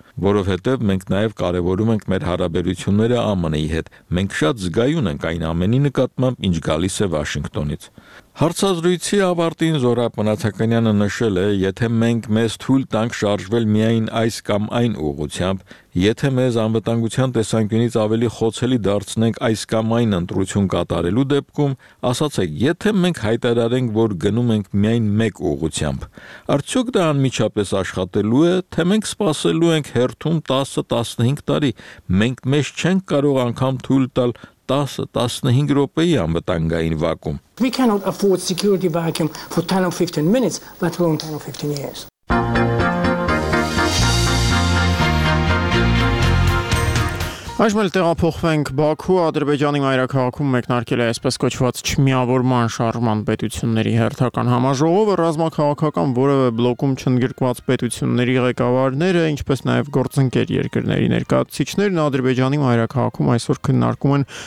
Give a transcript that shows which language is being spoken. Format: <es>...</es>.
<hy>որովհետև մենք նաև կարևորում ենք մեր հարաբերությունները ԱՄՆ-ի հետ, մենք շատ զգայուն ենք այն ամենի նկատմամբ, ինչ գալիս է Վաշինգտոնից»։ Հարցազրույցի ավարտին Զորապ Մնացականյանը նշել է, եթե մենք մեզ թույլ տանք շարժվել միայն այս կամ այն ուղղությամբ, եթե մեզ անվտանգության տեսանկյունից ավելի խոցելի դարձնենք այս կամ այն ընտրություն կատարելու դեպքում, ասացեք, եթե մենք հայտարարենք, որ գնում ենք միայն մեկ ուղղությամբ, արդյոք դա անմիջապես աշխատելու է, թե մենք սպասելու ենք հերթում 10-15 տարի, մենք մեզ չենք կարող անգամ թույլ տալ 10-15 րոպեի անվտանգային վակում։</hy> <en>We cannot afford security vacuum for 10 or 15 minutes, let alone 10 or 15 years.</en> <hy>Այժմ էլ տեղափոխվենք Բաքու, Ադրբեջանի մայրաքաղաքում մեկնարկել է այսպես կոչված չմիավորման շարժման պետությունների հերթական համաժողովը, ռազմաքաղաքական որևէ բլոկում չընդգրկված պետությունների ղեկավարները, ինչպես նաև գործընկեր երկրների ներկայացուցիչներն Ադրբեջանի մայրաքաղաքում այսօր քննարկում են</hy>